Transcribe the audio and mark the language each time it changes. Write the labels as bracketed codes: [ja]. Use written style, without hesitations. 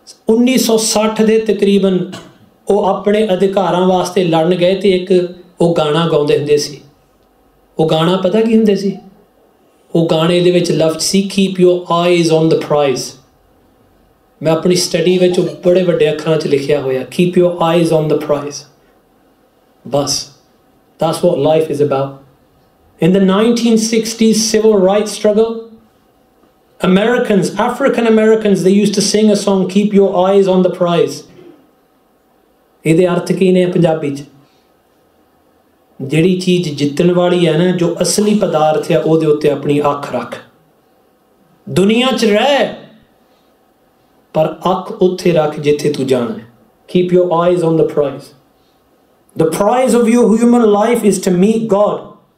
[pa] 1960 ਦੇ ਤਕਰੀਬਨ ਉਹ ਆਪਣੇ ਅਧਿਕਾਰਾਂ ਵਾਸਤੇ ਲੜਨ ਗਏ ਅਤੇ ਇੱਕ ਉਹ ਗਾਣਾ ਗਾਉਂਦੇ ਹੁੰਦੇ ਸੀ। ਉਹ ਗਾਣਾ ਪਤਾ ਕੀ ਹੁੰਦੇ ਸੀ? ਉਹ ਗਾਣੇ ਦੇ ਵਿੱਚ ਲਫ਼ਜ਼ ਸੀ [en] Keep your eyes on the prize. [pa] ਮੈਂ ਆਪਣੀ ਸਟੱਡੀ ਵਿੱਚ ਉਹ ਬੜੇ ਵੱਡੇ ਅੱਖਰਾਂ 'ਚ ਲਿਖਿਆ ਹੋਇਆ, [en] Keep your eyes on the prize. ਬਸ that's what life is about. In the 1960s civil right struggle, Americans, African Americans, they used to sing a song, keep your eyes on the prize. [pa] ਇਹਦੇ ਅਰਥ ਕੀ ਨੇ ਪੰਜਾਬੀ 'ਚ? ਜਿਹੜੀ ਚੀਜ਼ ਜਿੱਤਣ ਵਾਲੀ ਹੈ ਨਾ, ਜੋ ਅਸਲੀ ਪਦਾਰਥ ਹੈ, ਉਹਦੇ ਉੱਤੇ ਆਪਣੀ ਅੱਖ ਰੱਖ। ਦੁਨੀਆ 'ਚ ਰਹਿ ਪਰ ਅੱਖ ਉੱਥੇ ਰੱਖ ਜਿੱਥੇ ਤੂੰ ਜਾਣਾ। [en] Keep your eyes on the prize. The prize of your human life is to meet God.